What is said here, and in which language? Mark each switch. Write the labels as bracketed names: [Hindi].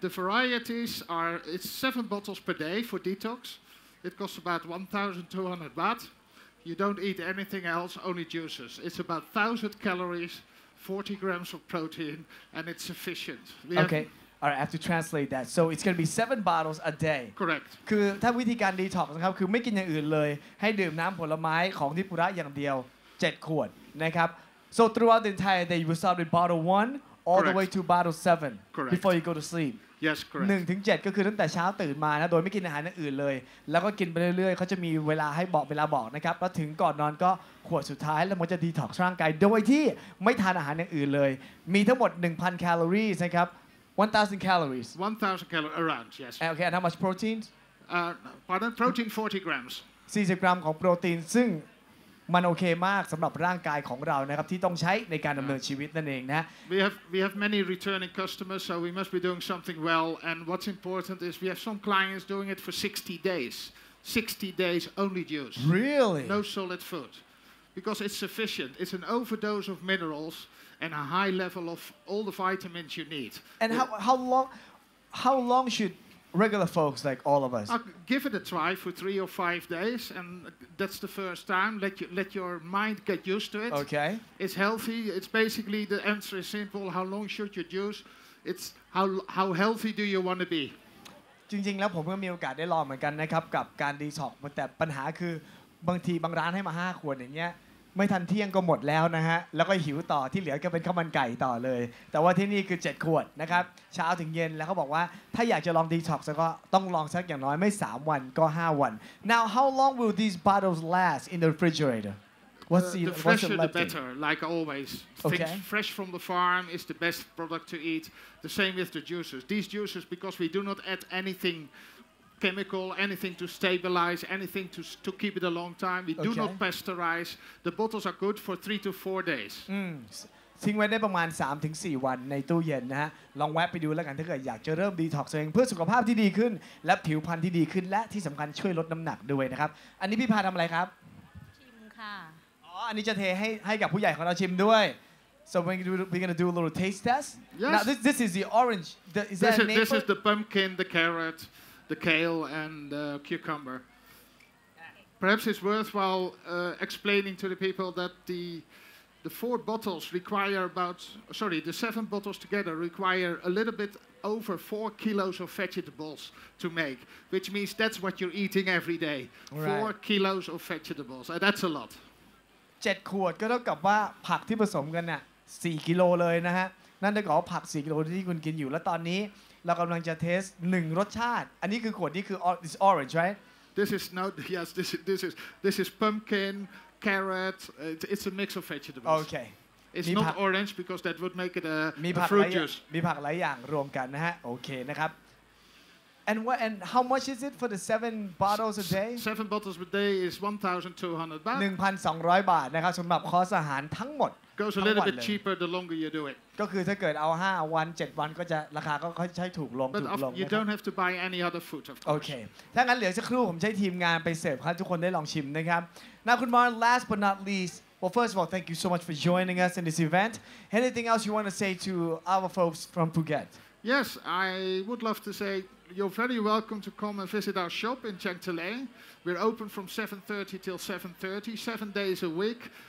[English] The varieties are, it's 7 bottles per day for detox. It costs about 1,200 baht. You don't eat anything else, only juices. It's about 1,000 calories, 40 grams of protein, and it's sufficient. Okay. All right, I have to translate that. So it's going to be 7 bottles a day. Correct. [Thai] คือถ้าวิธีการ detox นะครับคือไม่กินอย่างอื่นเลยให้ดื่มน้ำผลไม้ของนิปุระอย่างเดียว7ขวดนะครับ [English] So throughout the entire day you will start with bottle 1 all the way to bottle 7 before you go to sleep. Yes, correct. [Thai] 1ถึง7ก็คือตั้งแต่เช้าตื่นมานะโดยไม่กินอาหารอื่นเลยแล้วก็กินไปเรื่อยๆเขาจะมีเวลาให้บอกเวลาบอกนะครับแล้วถึงก่อนนอนก็ขวดสุดท้ายแล้วมันจะ detox ร่างกายโดยที่ไม่ทานอาหารอย่างอื่นเลยมีทั้งหมด 1,000 แคลอรีนะครับ [English] 1,000 calories. 1,000 calories around, yes. Okay, and how much protein? Pardon? Protein 40 grams. 40 grams of protein, which is okay for our body that we need to use in our life. We have many returning customers, so we must be doing something well. And what's important is we have some clients doing it for 60 days. 60 days only juice. Really? No solid food. Because it's sufficient. It's an overdose of minerals. And a high level of all the vitamins you need. And how long should regular folks like all of us? Give it a try for 3 or 5 days, and that's the first time. Let your mind get used to it. Okay. It's healthy. It's basically the answer is simple. How long should you juice? It's how healthy do you want to be? [Thai] จริงๆแล้วผมก็มีโอกาสได้ลองเหมือนกันนะครับกับการดีท็อกซ์แต่ปัญหาคือบางทีบางร้านให้มา5ขวดอย่างเงี้ยไม่ทันเที่ยงก็หมดแล้วนะฮะแล้วก็หิวต่อที่เหลือก็เป็นข้าวมันไก่ต่อเลยแต่ว่าที่นี่คือ7ขวดนะครับเช้าถึงเย็นแล้วเขาบอกว่าถ้าอยากจะลองดีท็อกซ์ก็ต้องลองสักอย่างน้อยไม่3วันก็5วัน [English] Now how long will these bottles last in the refrigerator What's the fresher the better like always Okay. fresh from the farm is the best product to eat the same with the juices these juices because we do not add anythingchemical, anything to stabilize, anything to keep it a long time. We do not pasteurize. The bottles are good for 3 to 4 days. [Thai] ทิ้งไว้ได้ประมาณ 3-4 วันในตู้เย็นนะฮะลองแวะไปดูแล้วกันถ้าเกิดอยากจะเริ่มดีท็อกซ์เองเพื่อสุขภาพที่ดีขึ้นและผิวพรรณที่ดีขึ้นและที่สำคัญช่วยลดน้ำหนักด้วยนะครับอันนี้พี่พาทำอะไรครับ ชิมค่ะ อ๋ออันนี้จะเทให้กับผู้ใหญ่ของเราชิมด้วย [English] So we're gonna do a little taste test. Yes. Now this is the orange. This is the pumpkin, the carrot. The kale and the cucumber. Perhaps it's worthwhile explaining to the people that the 7 bottles together require a little bit over 4 kilos of vegetables to make, which means that's what you're eating every day. Right. 4 kilos of vegetables. That's a lot. [Thai] 7 ขวดก็เท่ากับว่าผักที่ผสมกันน่ะ4กิโลเลยนะฮะนั่นก็คือผัก4กิโลที่คุณกินอยู่แล้วตอนนี้เรากำลังจะเทส1รสชาติอันนี้คือขวดนี้คือ [English] is orange right this is not yes this is pumpkin carrot it's a mix of vegetables okay it's not orange because that would make it a fruit juice [Thai] มีผักหลายอย่างรวมกันนะฮะโอเคนะครับ [English] and how much is it for the 7 bottles a day 7 bottles a day is 1200 baht [Thai] 1,200 บาทนะครับสำหรับคอร์สอาหารทั้งหมด [English] Goes a little bit cheaper the longer you do it. [Thai] ก็คือถ้าเกิดเอา5วัน7วันก็จะราคาก็ค่อยใช้ถูกลงถูกลง [English] You don't have to buy any other food of course. Okay. [Thai] ถ้างั้นเหลือสักครู่ผมใช้ทีมงานไปเสิร์ฟให้ทุกคนได้ลองชิมนะครับ Now คุณมาร์ [English] last but not least. Well first of all thank you so much for joining us in this event. Anything else you want to say to our folks from Phuket? Yes, I would love to say you're very welcome to come and visit our shop in Chang Tale. We're open from 7:30 till 7:30, 7 days a week.